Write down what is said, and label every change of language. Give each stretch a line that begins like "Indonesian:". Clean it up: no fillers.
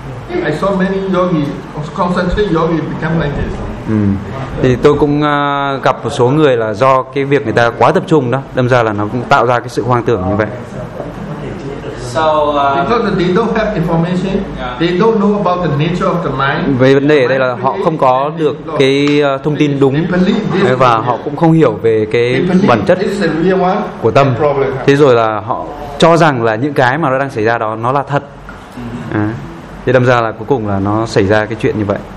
English: I saw many yogi, concentrated yogi become like this.
Vietnamese: Thì tôi cũng gặp một số người là do cái việc người ta quá tập trung đó, đâm ra là nó cũng tạo ra cái sự hoang tưởng như vậy.
English: Because they don't have information, they don't know about the nature of the mind.
Vietnamese: Về vấn đề ở đây là họ không có được cái thông tin đúng và họ cũng không hiểu về cái bản chất của tâm. Thế rồi là họ cho rằng là những cái mà nó đang xảy ra đó nó là thật. Thế đâm ra là cuối cùng là nó xảy ra cái chuyện như vậy.